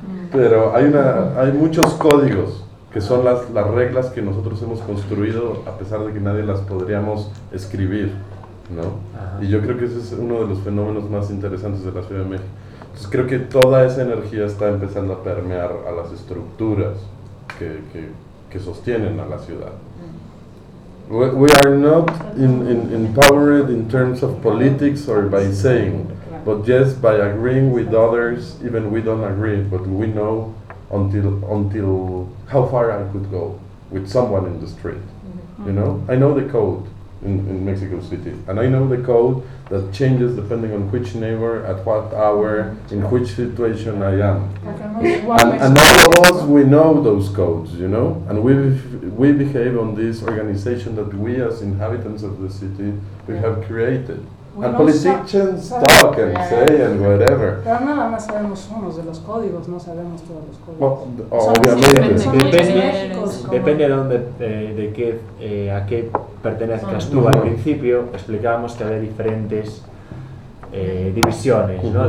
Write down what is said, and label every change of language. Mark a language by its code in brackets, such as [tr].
[es] Pero hay muchos códigos que son las reglas que nosotros hemos construido a pesar de que nadie las podríamos escribir, ¿no? Ajá. Y yo creo que ese es uno de los fenómenos más interesantes de la Ciudad de México. Entonces creo que toda esa energía está empezando a permear a las estructuras que sostienen a la ciudad. [en] We are not empowered in terms of politics or by saying, but just by agreeing with others, even we don't agree, but we know until how far I could go with someone in the street. You know, I know the code in Mexico City, and I know the code that changes depending on which neighbor, at what hour, in which situation I am. And all of us, we know those codes, you know? And we behave on this organization that we as inhabitants of the city, we have created. We and politicians talk and say and whatever. [es] Pero nada más sabemos unos de los códigos, no sabemos todos los códigos. [en] Well, [es] obviamente. Depende de qué pertenezcas tú. Al principio explicábamos que había diferentes divisiones, ¿no?